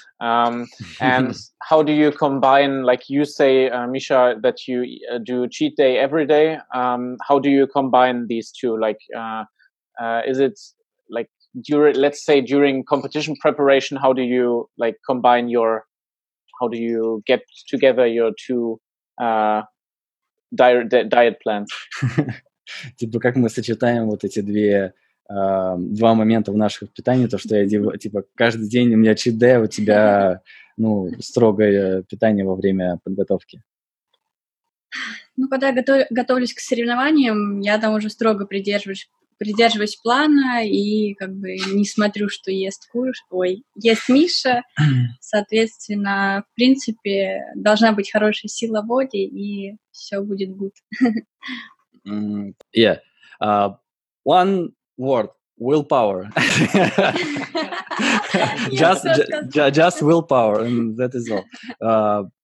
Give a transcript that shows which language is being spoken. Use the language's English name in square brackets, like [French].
[English] And how do you combine, like you say, Misha, that you do cheat day every day. How do you combine these two? Like, is it like during, let's say during competition preparation, how do you like combine your, how do you get together your two diet plan. [Russian] Типа, как мы сочетаем вот эти два момента в наших питании, то, что я, типа, каждый день у меня чит-дэ, у тебя, ну, строгое питание во время подготовки. Ну, когда я готовлюсь к соревнованиям, я там уже строго придерживаюсь плана и как бы не смотрю, что ест есть Миша. Соответственно, в принципе, должна быть хорошая сила воды, и все будет [English] good. Yeah. One word. Willpower. just willpower, and that is all.